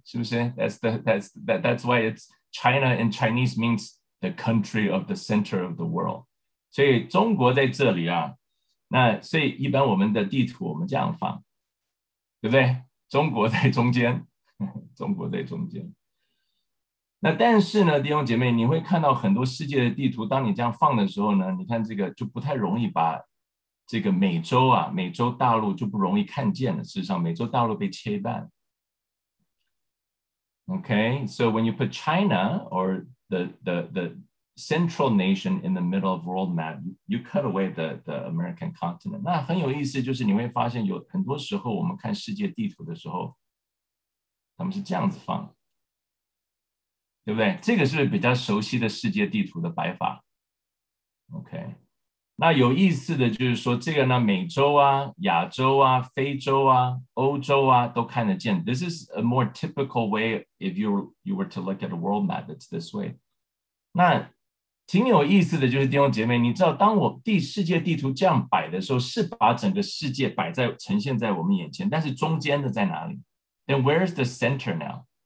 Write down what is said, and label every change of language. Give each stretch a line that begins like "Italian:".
Chinese: 是不是
English: ？That's why it's China in Chinese means the country of the center of the world.
Chinese: 所以中国在这里啊，那所以一般我们的地图我们这样放，对不对？中国在中间，中国在中间。那但是呢，弟兄姐妹，你会看到很多世界的地图，当你这样放的时候呢，你看这个就不太容易把。这个美洲啊，美洲大陆就不容易看见了。事实上，美洲大陆被切半。
English: Okay, so when you put China or the central nation in the middle of world map, you cut away the American continent.
Chinese: 那很有意思，就是你会发现有很多时候我们看世界地图的时候，他们是这样子放，对不对？这个是比较熟悉的世界地图的摆法。
English: Okay.
Chinese: 那有意思的就是说这个呢，美洲啊，亚洲啊，非洲啊，欧洲啊，都看得见。
English: This is a more typical way if you were to look at a world map, it's this way.
Chinese: 那挺有意思的就是弟兄姐妹，你知道当我地世界地图这样摆的时候，是把整个世界摆在呈现在我们眼前，但是中间的在哪里？
English: Then where is the center now?